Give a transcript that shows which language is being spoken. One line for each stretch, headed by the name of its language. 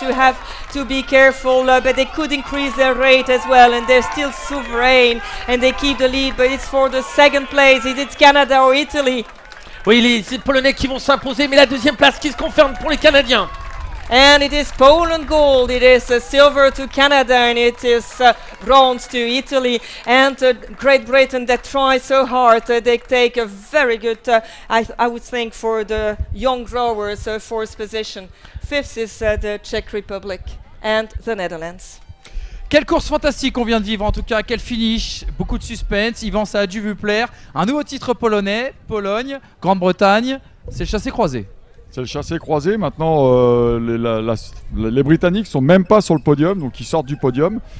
English: You have to be careful, but they could increase their rate as well, and they're still sovereign, and they keep the lead, but it's for the second place. Is it Canada or Italy?
French: Oui, les Polonais qui vont s'imposer, mais la deuxième place qui se confirme pour les Canadiens.
English: And it is Poland gold, it is silver to Canada, and it is bronze to Italy. And Great Britain that try so hard, they take a very good, I would think, for the young rowers, fourth position. Fifth is the Czech Republic and the Netherlands.
French: Quelle course fantastique on vient de vivre en tout cas, quel finish, beaucoup de suspense, Yvan, ça a dû vous plaire. Un nouveau titre polonais, Pologne, Grande-Bretagne, c'est le chassé croisé. C'est le chassé croisé, maintenant les Britanniques ne sont même pas sur le podium, donc ils sortent du podium.